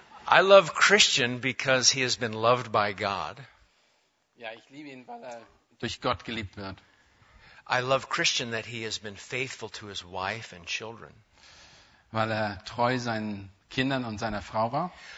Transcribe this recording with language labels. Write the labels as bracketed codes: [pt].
[en] I love Christian because he has been loved by God. [de] Ja, ich liebe ihn, weil er durch Gott geliebt wird. [en] I love Christian that he has been faithful to his wife and children. [de] Weil er treu seinen Kindern und seiner Frau war.